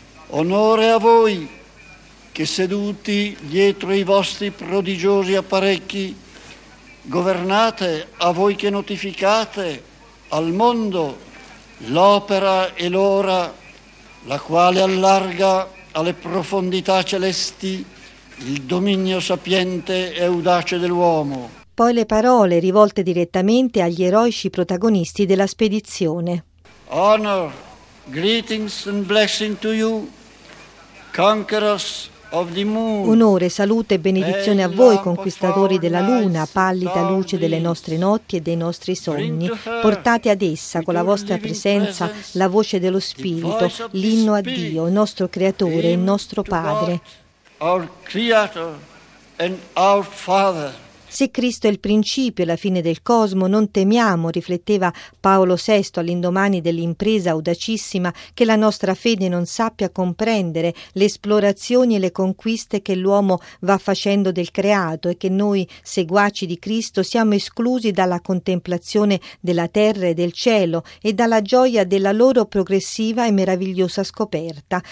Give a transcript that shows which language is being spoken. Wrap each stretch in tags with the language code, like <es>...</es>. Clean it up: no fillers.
<it>Onore a voi che seduti dietro i vostri prodigiosi apparecchi governate, a voi che notificate al mondo l'opera e l'ora la quale allarga alle profondità celesti il dominio sapiente e audace dell'uomo. Poi le parole rivolte direttamente agli eroici protagonisti della spedizione.</it> <en>Honor, greetings and blessing to you, conquerors of the moon.</en> <it>Onore, salute e benedizione a voi, conquistatori della luna, pallida luce delle nostre notti e dei nostri sogni. Portate ad essa con la vostra presenza la voce dello Spirito, l'inno a Dio, nostro Creatore e nostro Padre.</it> <en>Our Creator and our Father.</en> <it>Se Cristo è il principio e la fine del cosmo, non temiamo, rifletteva Paolo VI all'indomani dell'impresa audacissima, che la nostra fede non sappia comprendere le esplorazioni e le conquiste che l'uomo va facendo del creato e che noi, seguaci di Cristo, siamo esclusi dalla contemplazione della terra e del cielo e dalla gioia della loro progressiva e meravigliosa scoperta.</it>